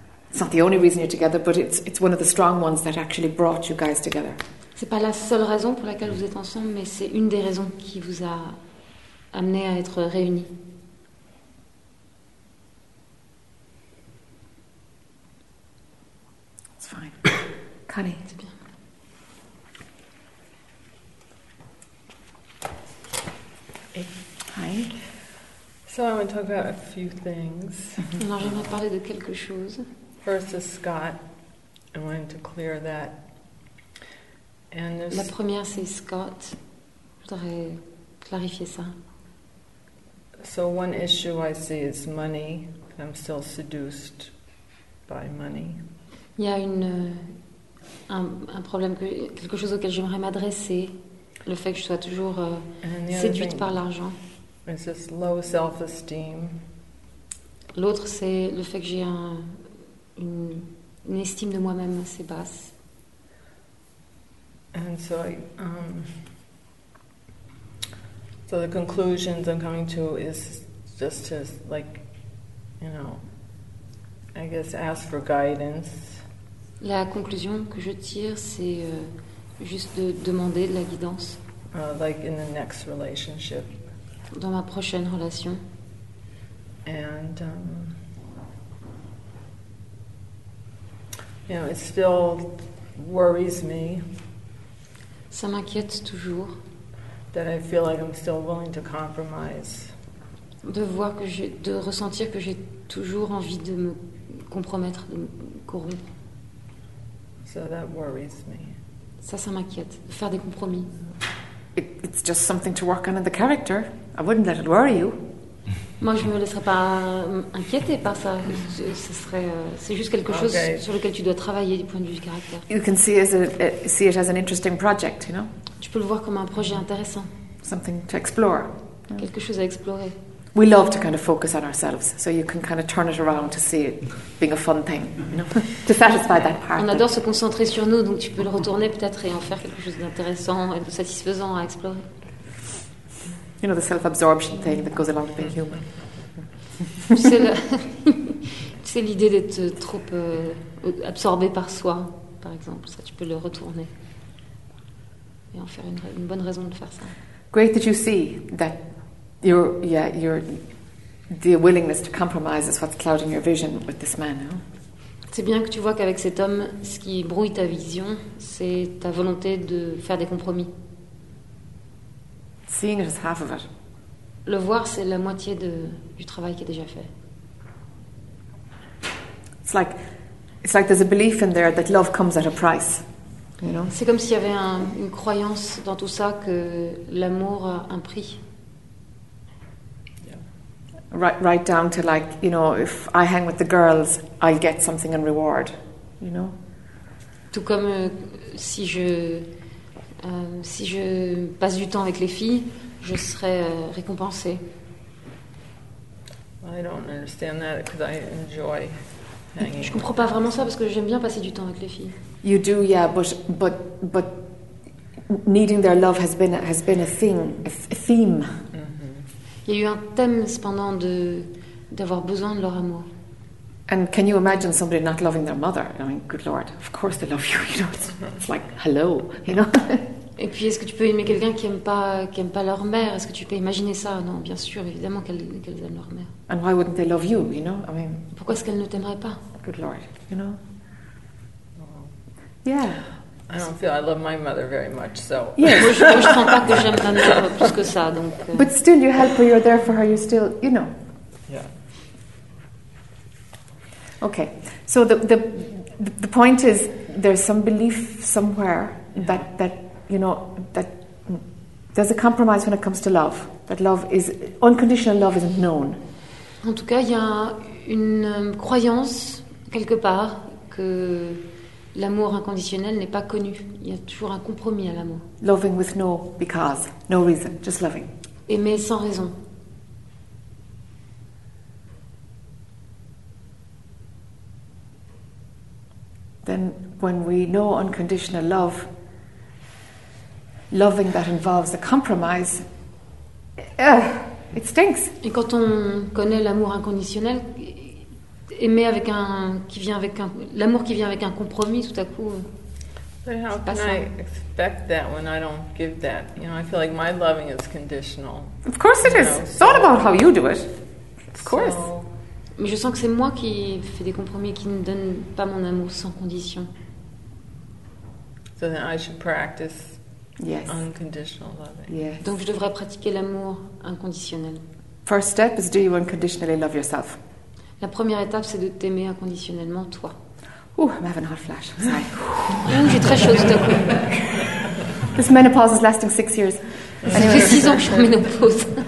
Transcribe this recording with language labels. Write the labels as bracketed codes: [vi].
[en] It's not the only reason you're together, but it's one of the strong ones that actually brought you guys together. [fr] C'est pas la seule raison pour laquelle vous êtes ensemble, mais c'est une des raisons qui vous a amené à être réunis. [en] It's fine. Connie, [fr] c'est bien. [en] Hey. Hi. So I want to talk about a few things. [fr] Alors, j'aimerais parler de quelque chose. [en] First is Scott. I wanted to clear that. And [fr] la première, c'est Scott. Je voudrais clarifier ça. [en] So one issue I see is money. I'm still seduced by money. [fr] Il y a un problème, quelque chose auquel j'aimerais m'adresser. Le fait que je sois toujours séduite [en] thing, [fr] par l'argent. [en] It's this low self-esteem. [fr] L'autre, c'est le fait que j'ai une estime de moi-même assez basse. [en] And so, so the conclusions I'm coming to is just to, like, you know, I guess ask for guidance. [fr] La conclusion que je tire, c'est juste de demander de la guidance. [en] Like in the next relationship. [fr] Dans ma prochaine relation. [en] And you know, it still worries me. [fr] Ça m'inquiète toujours. [en] That I feel like I'm still willing to compromise. [fr] De ressentir que j'ai toujours envie de me compromettre, de me corrompre. [en] So that worries me. [fr] Ça m'inquiète, de faire des compromis. [en] It's just something to work on in the character. I wouldn't let it worry you. [fr] Moi, je ne me laisserais pas inquiéter par ça. C'est juste quelque chose sur lequel tu dois travailler du point de vue du caractère. [en] You can see it as an interesting project, you know? [fr] Tu peux le voir comme un projet intéressant. [en] Something to explore. [fr] Quelque chose à explorer. [en] We love to kind of focus on ourselves, so you can kind of turn it around to see it being a fun thing, you know, to satisfy that part. [fr] On adore se concentrer sur nous, donc tu peux le retourner peut-être et en faire quelque chose d'intéressant et de satisfaisant à explorer. [en] You know, the self-absorption thing that goes along with being human. [fr] C'est l'idée d'être trop absorbé par soi, par exemple. Ça, tu peux le retourner et en faire une bonne raison de faire ça. [en] Great that you see that. Your the willingness to compromise is what's clouding your vision with this man. No? [fr] C'est bien que tu vois qu'avec cet homme, ce qui brouille ta vision, c'est ta volonté de faire des compromis. [en] Seeing it is half of it. [fr] Le voir, c'est la moitié du travail qui est déjà fait. [en] It's like there's a belief in there that love comes at a price. You know? [fr] C'est comme s'il y avait une croyance dans tout ça que l'amour a un prix. [en] Right down to like, you know, if I hang with the girls, I'll get something in reward, you know. [fr] Tout comme si je passe du temps avec les filles, je serai récompensée. [en] I don't understand that because I enjoy hanging. [fr] Je comprends pas vraiment ça parce que j'aime bien passer du temps avec les filles. [en] You do, yeah, but needing their love has been a theme. [fr] Il y a eu un thème cependant d'avoir besoin de leur amour. [en] And can you imagine somebody not loving their mother? I mean, good Lord, of course they love you. You know, it's like hello, you know. [fr] Et puis, est-ce que tu peux aimer quelqu'un qui aime pas leur mère? Est-ce que tu peux imaginer ça? Non, bien sûr, évidemment qu'elles aiment leur mère. [en] And why wouldn't they love you? You know, I mean. [fr] Pourquoi est-ce qu'elles ne t'aimeraient pas? [en] Good Lord, you know. Yeah. I don't feel I love my mother very much, so. [fr] Yeah, moi je sens pas que j'aime ma mère plus que ça, donc. [en] But still, you help her. You're there for her. You still, you know. Yeah. Okay, so the point is, there's some belief somewhere that you know that there's a compromise when it comes to love. That love is unconditional. Love isn't known. [fr] En tout cas, il y a une croyance quelque part que. L'amour inconditionnel n'est pas connu. Il y a toujours un compromis à l'amour. [en] Loving with no because, no reason, just loving. [fr] Aimer sans raison. [en] Then, when we know unconditional love, loving that involves a compromise, it stinks. [fr] Et quand on connaît l'amour inconditionnel. Aimer avec l'amour qui vient avec un compromis tout à coup. [en] But how can I expect that when I don't give that? You know, I feel like my loving is conditional. Of course it is. So, thought about how you do it. Of course. [fr] Mais je sens que c'est moi qui fais des compromis qui ne donne pas mon amour sans condition. [en] So then I should practice unconditional loving. Yes. [fr] Donc je devrais pratiquer l'amour inconditionnel. [en] First step is do you unconditionally love yourself? [fr] La première étape, c'est de t'aimer inconditionnellement, toi. [en] Ooh, I'm having a hot flash. I'm sorry. [fr] J'ai très chaud tout à coup. [en] This menopause is lasting 6 years. [fr] Ça fait 6 ans que je suis en ménopause.